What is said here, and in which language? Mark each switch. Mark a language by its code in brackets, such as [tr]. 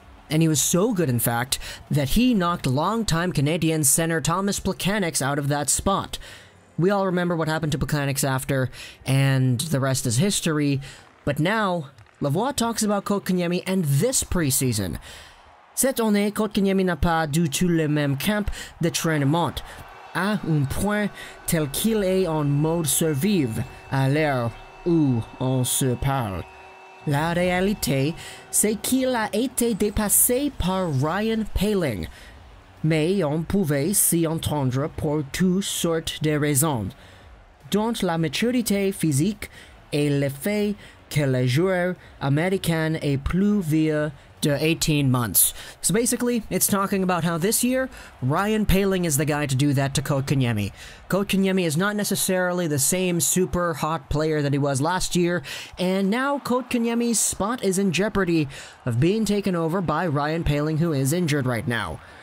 [en] And he was so good, in fact, that he knocked longtime Canadian center Thomas Plekanec out of that spot. We all remember what happened to Plekanec after, and the rest is history, but now Lavoie talks about Kotkaniemi and this preseason. [fr] Cette année, Kotkaniemi n'a pas du tout le même camp de traînement. À un point tel qu'il est en mode survivre à l'heure où on se parle. La réalité, c'est qu'il a été dépassé par Ryan Poehling. Mais on pouvait s'y entendre pour toutes sortes de raisons, dont la maturité physique et le fait que le joueur américain est plus vieux de [en] 18 months. So basically, it's talking about how this year, Ryan Poehling is the guy to do that to Kotkaniemi. Kotkaniemi is not necessarily the same super hot player that he was last year, and now Kotkaniemi's spot is in jeopardy of being taken over by Ryan Poehling, who is injured right now.